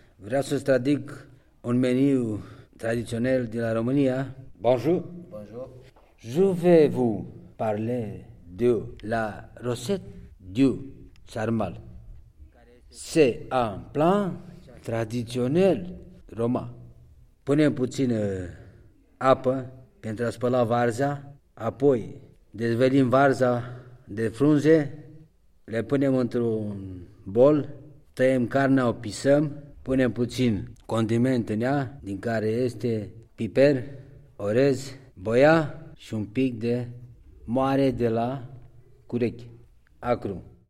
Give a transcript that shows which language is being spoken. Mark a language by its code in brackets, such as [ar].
[ro] Vreau să stradic un meniu tradițional de la România. [fr] Bonjour. Bonjour. Je vais vous parler de la recette du sarmal. C'est un plat traditionnel roman. [ro] Punem puțină apă pentru a spăla varza, apoi dezvelim varza de frunze, le punem într-un bol, tăiem carnea, o pisăm, punem puțin condiment în ea, din care este piper, orez, boia și un pic de moare de la curechi, acru.